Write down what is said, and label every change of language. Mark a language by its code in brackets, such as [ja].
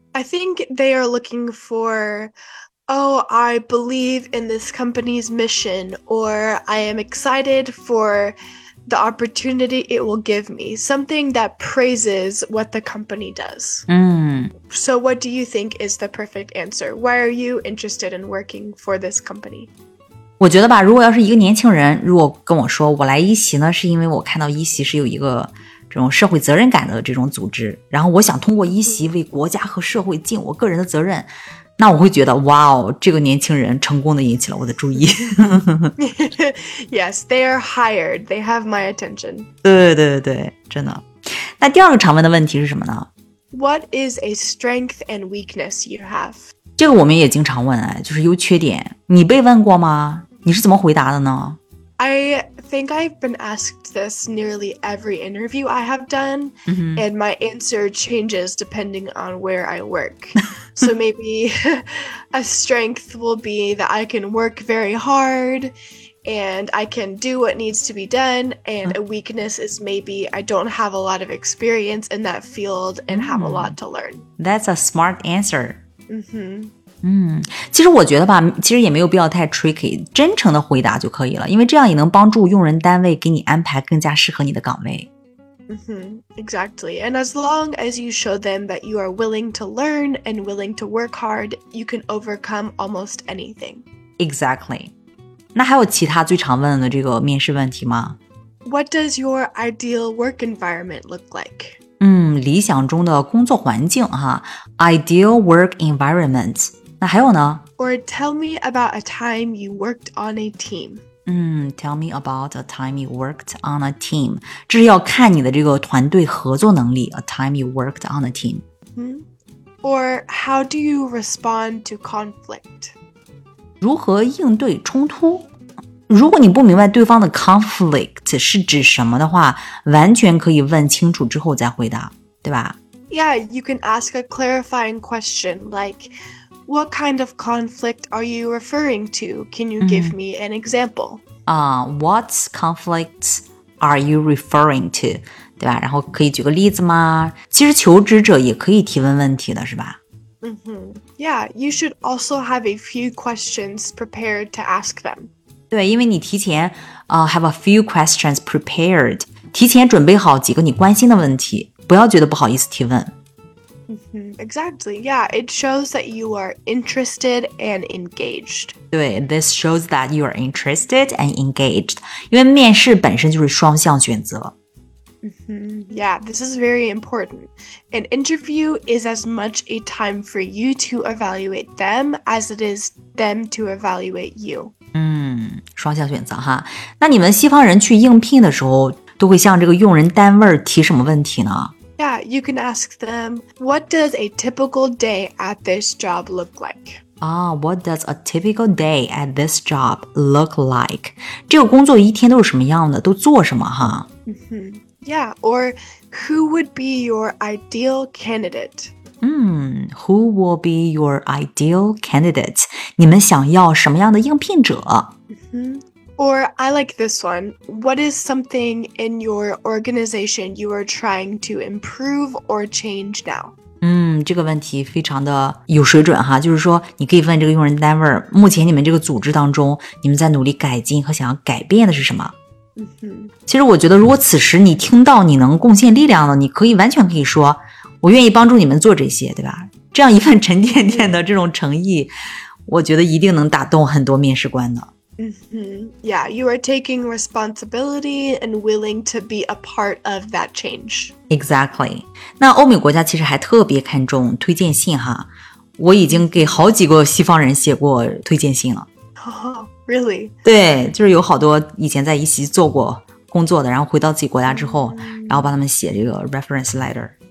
[en] I think they are looking for, oh, I believe in this company's mission, or I am excited for the opportunity it will give me, something that praises what the company does. So what do you think is the perfect answer? Why are you interested in working for this company? [zh] 我觉得吧，如果要是一个年轻人如果跟我说我来一席呢，是因为我看到一席是有一个这种社会责任感的这种组织，然后我想通过一席为国家和社会尽我个人的责任，那我会觉得哇哦，这个年轻人成功的引起了我的注意。 [en] Yes, they are hired. They have my attention. [zh] 对对对，真的。那第二个常问的问题是什么呢？ [en] What is a strength and weakness you have? [zh] 这个我们也经常问，就是优缺点。你被问过吗？你是怎么回答的呢？ [en] I think I've been asked this nearly every interview I have done, mm-hmm. and my answer changes depending on where I work. So maybe a strength will be that I can work very hard and I can do what needs to be done, and a weakness is maybe I don't have a lot of experience in that field and have a lot to learn. That's a smart answer. Mm-hmm. [zh] 嗯，其实我觉得吧，其实也没有必要太 tricky， 真诚的回答就可以了，因为这样也能帮助用人单位给你安排更加适合你的岗位。 [en] Mm-hmm, exactly. And as long as you show them that you are willing to learn and willing to work hard, you can overcome almost anything. Exactly. [zh] 那还有其他最常问的这个面试问题吗？ [en] What does your ideal work environment look like? [zh] 理想中的工作环境哈 , [en] ideal work environment. [zh] 那还有呢 [en] ?Or tell me about a time you worked on a team. Tell me about a time you worked on a team. [zh] 这是要看你的这个团队合作能力 , [en] a time you worked on a team.、 Mm-hmm. Or how do you respond to conflict? [zh] 如何应对冲突如果你不明白对方的 conflict 是指什么的话完全可以问清楚之后再回答对吧 [en] Yeah, you can ask a clarifying question like, what kind of conflict are you referring to? Can you give me an example?、 What conflict are you referring to? [zh] 对吧然后可以举个例子吗其实求职者也可以提问问题的是吧 Mm-hmm. [en] Yeah, you should also have a few questions prepared to ask them. [zh] 对因为你提前、 [en] have a few questions prepared [zh] 提前准备好几个你关心的问题不要觉得不好意思提问、 mm-hmm. [en] Exactly, yeah It shows that you are interested and engaged 对 This shows that you are interested and engaged [zh] 因为面试本身就是双向选择、 mm-hmm. [en] Yeah, this is very important An interview is as much a time for you to evaluate them as it is them to evaluate you [zh] 双向选择哈，那你们西方人去应聘的时候，都会向这个用人单位提什么问题呢 [en] ？Yeah, you can ask them, "What does a typical day at this job look like?" What does a typical day at this job look like? [zh] 这个工作一天都是什么样的？都做什么哈、 mm-hmm. [en] ？Yeah, or who would be your ideal candidate? Who will be your ideal candidate? [zh] 你们想要什么样的应聘者、 [en] Or I like this one. What is something in your organization you are trying to improve or change now? [zh] 这个问题非常的有水准哈，就是说你可以问这个用人单位，目前你们这个组织当中，你们在努力改进和想要改变的是什么？其实我觉得，如果此时你听到你能贡献力量的，你可以完全可以说。我愿意帮助你们做这些，对吧？这样一份沉甸甸的这种诚意，我觉得一定能打动很多面试官的。 [en] Yeah, you are taking responsibility and willing to be a part of that change. Exactly. [zh] 那欧美国家其实还特别看重推荐信哈。我已经给好几个西方人写过推荐信了。 [en] Oh, really? [zh] 对，就是有好多以前在一起做过工作的，然后回到自己国家之后，然后帮他们写这个 reference letter。